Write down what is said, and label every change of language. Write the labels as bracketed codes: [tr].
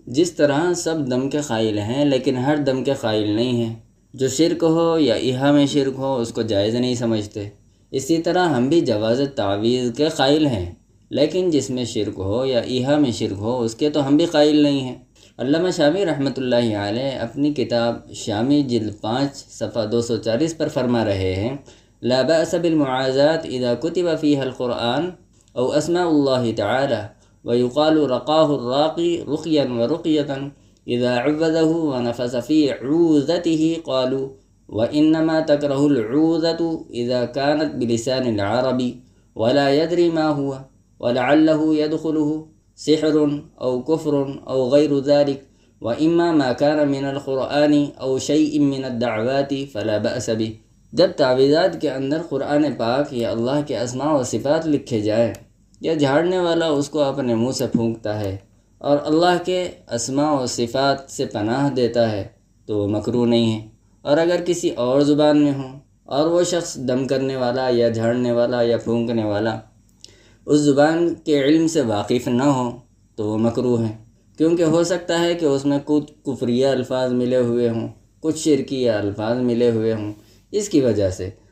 [ur] جس طرح سب دم کے قائل ہیں لیکن ہر دم کے قائل نہیں ہیں، جو شرک ہو یا ایہا میں شرک ہو اس کو جائز نہیں سمجھتے، اسی طرح ہم بھی جواز تعویذ کے قائل ہیں لیکن جس میں شرک ہو یا ایہا میں شرک ہو اس کے تو ہم بھی قائل نہیں ہیں. علامہ شامی رحمۃ اللہ علیہ اپنی کتاب شامی جلد 5 صفحہ 240 پر فرما رہے ہیں، [ar] لا بأس بالمعاذات اذا كتب فيها القرآن او اسماء الله تعالى ويقال رقاه الراقي رقيا ورقية اذا عوذه ونفس في عوذته قالوا وانما تكره العوذة اذا كانت بلسان العربي ولا يدري ما هو ولعله يدخله سحر او كفر او غير ذلك واما ما كان من القرآن او شيء من الدعوات فلا بأس به. [ur] جب تعویذات کے اندر قرآن پاک یا اللہ کے اسماء و صفات لکھے جائیں، یا جھاڑنے والا اس کو اپنے منہ سے پھونکتا ہے اور اللہ کے اسماء و صفات سے پناہ دیتا ہے، تو وہ مکروہ نہیں ہے. اور اگر کسی اور زبان میں ہوں اور وہ شخص دم کرنے والا یا جھاڑنے والا یا پھونکنے والا اس زبان کے علم سے واقف نہ ہو، تو وہ مکروہ ہے، کیونکہ ہو سکتا ہے کہ اس میں کچھ کفریہ الفاظ ملے ہوئے ہوں، کچھ شرکیہ الفاظ ملے ہوئے ہوں اس کی وجہ سے.